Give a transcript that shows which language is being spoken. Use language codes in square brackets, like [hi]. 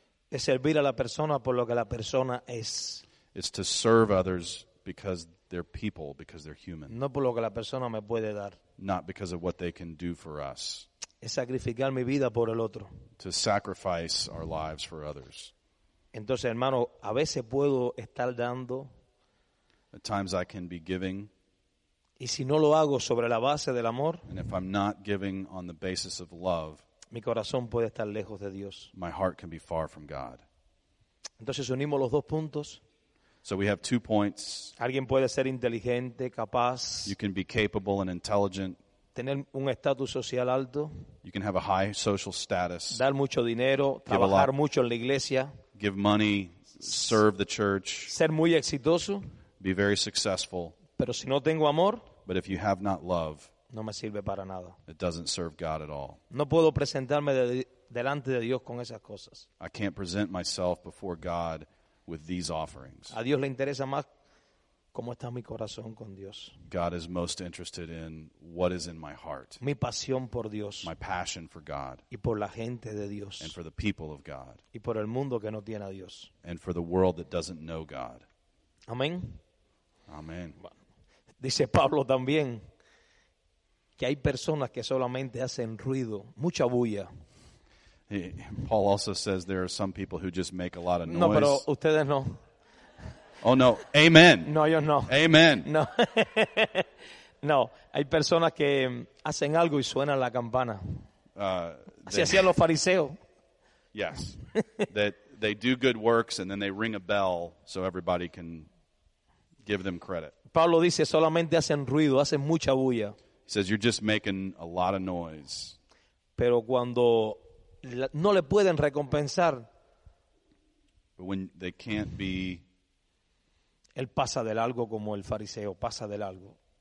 [es] Es servir a la persona por lo que la persona es. [en] It's to serve others because they're people, because they're human. [es] No por lo que la persona me puede dar. [en] Not because of what they can do for us. [es] Es sacrificar mi vida por el otro. [en] To sacrifice our lives for others. [es] Entonces, hermano, a veces puedo estar dando. [en] At times I can be giving. [es] Y si no lo hago sobre la base del amor, [en] and if I'm not giving on the basis of love, [es] mi corazón puede estar lejos de Dios. [en] My heart can be far from God. [es] Entonces unimos los dos puntos. [en] So we have two points. [es] Alguien puede ser inteligente, capaz. [en] You can be capable and intelligent. [es] Tener un estatus social alto. [en] You can have a high social status. [es] Dar mucho dinero, trabajar mucho en la iglesia. [en] Give money, serve the church. [es] Ser muy exitoso. [en] Be very successful. [es] Pero si no tengo amor, [en] but if you have not love, [es] no me sirve para nada. [en] It doesn't serve God at all. [es] No puedo presentarme delante de Dios con esas cosas. [en] I can't present myself before God with these offerings. [es] A Dios le interesa más cómo está mi corazón con Dios. [en] God is most interested in what is in my heart. [es] Mi pasión por Dios. [en] My passion for God. [es] Y por la gente de Dios. [en] And for the people of God. [es] Y por el mundo que no tiene a Dios. [en] And for the world that doesn't know God. [es] Amén. Amén. Dice Pablo también que hay personas que solamente hacen ruido, mucha bulla. [en] Paul also says there are some people who just make a lot of noise. [es] No, pero ustedes no. [en] Oh, no. Amen. [es] No, yo no. [en] Amen. [es] No. No, hay personas que hacen algo y suena la campana. Así hacían los fariseos. [en] Yes. They do good works and then they ring a bell so everybody can give them credit. [es] Pablo dice, solamente hacen ruido, hacen mucha bulla. [en] He says, you're just making a lot of noise. [es] Pero cuando no le pueden recompensar, [en] But when they can't be. [es] Él pasa de largo como el fariseo, pasa de largo.